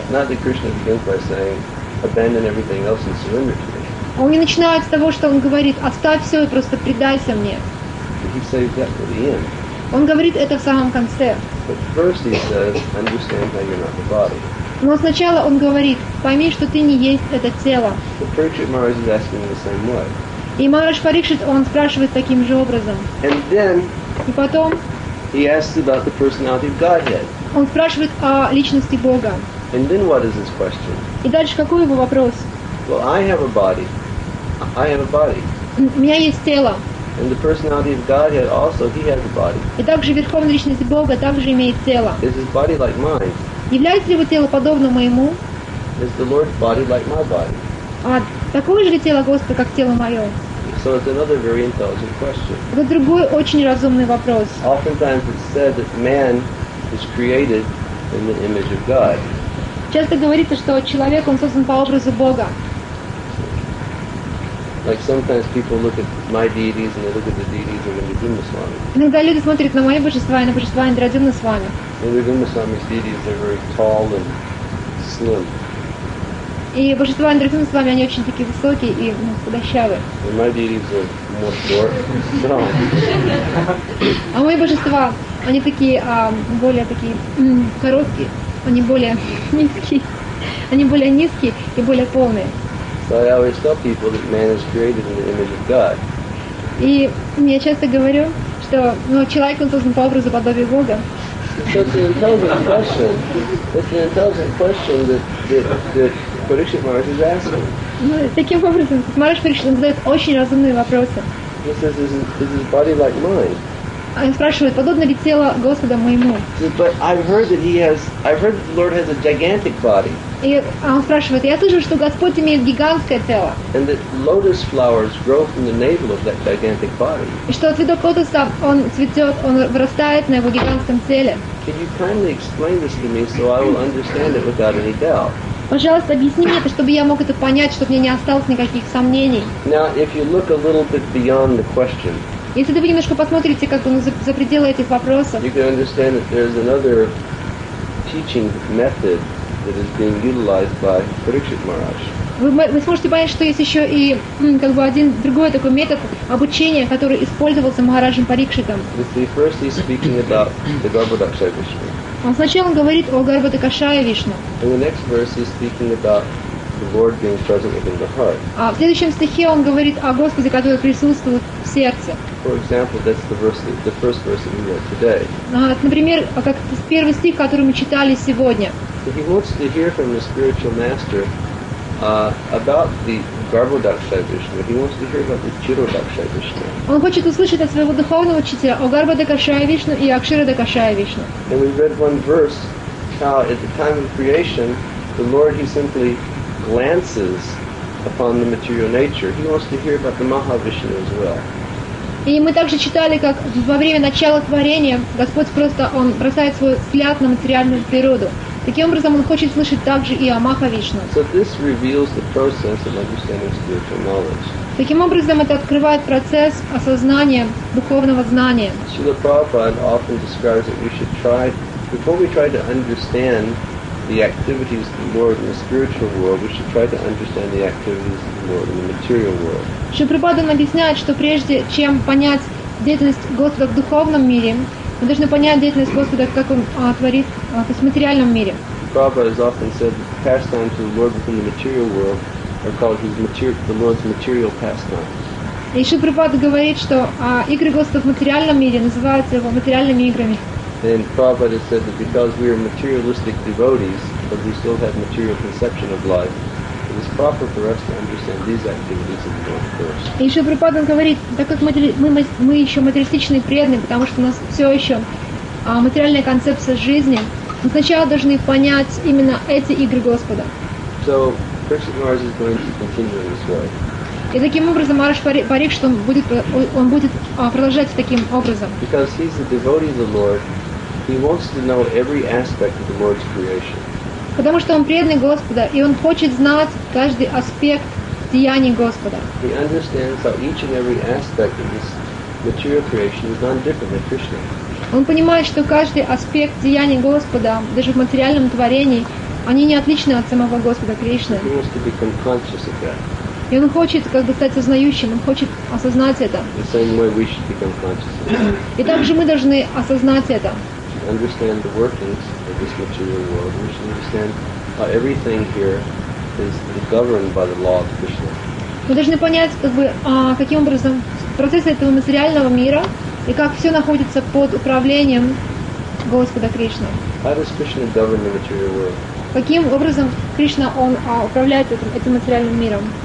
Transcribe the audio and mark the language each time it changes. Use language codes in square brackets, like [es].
[en] Not that Krishna begins by saying, abandon everything else and surrender to me. [ru] Он не начинает с того, что он говорит, оставь все и просто предайся мне. [en] He says that at the end. [ru] Он говорит это в самом конце. [en] But first he says, understand that you're not the body. [ru] Но сначала он говорит, пойми, что ты не есть это тело. [en] But Parikshit Maharaj is asking the same way. [ru] И Махарадж Парикшит, он спрашивает таким же образом. [en] And then, [ru] и потом, [en] he asks about the personality of Godhead. [ru] Он спрашивает о личности Бога. [en] And then what is his question? [ru] И дальше какой его вопрос? [en] Well, I have a body. I have a body. [ru] У меня есть тело. [en] And the personality of Godhead also, he has a body. [ru] И также верховная личность Бога также имеет тело. [en] Is his body like mine? [ru] Является ли его тело подобно моему? [en] Is the Lord's body like my body? [ru] Такое же ли тело Господа, как тело мое? [en] So it's another very intelligent question. [ru] Это другой очень разумный вопрос. [en] Oftentimes it's said that man is created in the image of God. [ru] Часто говорится, что человек он создан по образу Бога. [en] Like sometimes people look at my deities and they look at the deities of Indradyumna Swami. [ru] Иногда люди смотрят на мои божества и на божества Индрадюмна Свами. [en] Indradyumna Swami's deities are very tall and slim. [ru] И божества Индрадюмна Свами, они очень такие высокие и худощавые. [en] And my deities are more short and strong. [ru] А мои божества, они такие более такие короткие, они более низкие. Они более низкие и более полные. [en] So I always tell people that man is created in the image of God. [ru] И я часто говорю, что человек он создан по образу подобию Бога. [en] So it's an intelligent question. It's an intelligent question that Parikshit Maharaj is asking. [ru] Таким образом, Махарадж Парикшит задает очень разумные вопросы. [en] He says, is his body like mine? [ru] Он спрашивает, подобно ли тело Господа моему? [en] But I've heard that the Lord has a gigantic body. [ru] И он спрашивает, я слышал, что Господь имеет гигантское тело. [en] And that lotus flowers grow from the navel of that gigantic body. [ru] И что цветок лотоса, он цветет, он вырастает на его гигантском теле. [en] Can you kindly explain this to me so I will understand it without any doubt? [ru] Пожалуйста, объясни мне это, чтобы я мог это понять, чтобы мне не осталось никаких сомнений. [en] Now, if you look a little bit beyond the question, [ru] если вы немножко посмотрите, как он за пределы этих вопросов, [en] you can understand that there's another teaching method that is being utilized by Parikshit Maharaj. [ru] Вы сможете понять, что есть еще и как бы один другой такой метод обучения, который использовался Махараджем Парикшитом. [en] First he's speaking about the Garbhodakshaya Vishnu. [ru] Он сначала говорит о Гарбходакшая Вишну. [en] In the next verse he's speaking about the Lord being present within the heart. [ru] В следующем стихе он говорит о Господе, который присутствует в сердце. [en] For example, that's the first verse that we read today. [ru] Например, как первый стих, который мы читали сегодня. [en] He wants to hear from his spiritual master about the Garbhodakshaya Vishnu. He wants to hear about the Chirodakshaya Vishnu. [ru] Он хочет услышать от своего духовного учителя о Garbhodakshaya Vishnu и Akshirodakshaya Vishnu. [en] And we read one verse how at the time of creation the Lord he simply glances upon the material nature. He wants to hear about the Mahavishnu as well. [ru] И мы также читали, как во время начала творения Господь просто он бросает свой взгляд на материальную природу. Таким образом, он хочет слышать также и о Махавишну. [en] So this reveals the process of understanding spiritual knowledge. [ru] Таким образом, это открывает процесс осознания духовного знания. [en] Srila Prabhupada often describes that we should try, before we try to understand the activities of the Lord in the spiritual world, we should try to understand the activities of the Lord in the material world. [ru] Srila Prabhupada объясняет, что прежде чем понять деятельность Господа в духовном мире, мы должны понять деятельность Господа, как Он творит в материальном мире. [en] Prabhupada has often said that the pastimes of the Lord within the material world are called the Lord's material pastimes. [ru] И Шри Прабхупада говорит, что игры Господа в материальном мире называются его материальными играми. [en] And Prabhupada has said that because we are materialistic devotees, but we still have material conception of life, it is proper for us to understand these activities of the Lord first. [ru] И Шри Прабхупада говорит, так как мы еще материалистичные преданные, потому что у нас все еще материальная концепция жизни, мы сначала должны понять именно эти игры Господа. [en] So, Krishnamurti is going to continue this way. [ru] И таким образом Махараш Парикшит, что он будет продолжать таким образом. [en] Because he's a devotee of the Lord, he wants to know every aspect of the Lord's creation. [ru] Потому что он преданный Господа, и он хочет знать каждый аспект деяний Господа. [en] He understands how each and every aspect of this material creation is done differently than Krishna. [ru] Он понимает, что каждый аспект деяний Господа, даже в материальном творении, они не отличны от самого Господа Кришны. [en] He wants to become conscious of that. [ru] И он хочет как бы стать сознающим, он хочет осознать это. [en] The same way we should become conscious of that. [ru] И также мы должны осознать это. [en] We should understand the workings of this material world. We should understand how everything here is governed by the law of Krishna. [ru] Мы должны понять, как бы, каким образом процессы этого материального мира и как все находится под управлением Господа Кришны. [en] How does Krishna govern the material world? [ru] Каким образом Кришна он управляет этим материальным миром?